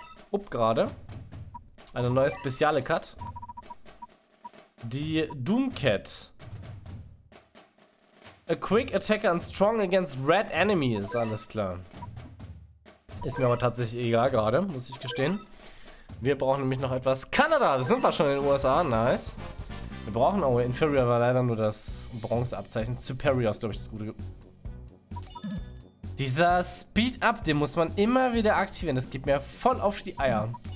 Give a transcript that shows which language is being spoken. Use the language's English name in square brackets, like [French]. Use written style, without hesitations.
[German] Upgrade. Eine neue spezielle Cut. Die Doomcat. [English] A quick attacker and strong against red enemies. [German] Alles klar. Ist mir aber tatsächlich egal gerade, muss ich gestehen. Wir brauchen nämlich noch etwas. Kanada, da sind wir schon in den USA. Nice. Wir brauchen auch Inferior, war leider nur das Bronzeabzeichen. Superior ist, glaube ich, das Gute. Dieser Speed-Up, den muss man immer wieder aktivieren. Das geht mir voll auf die Eier.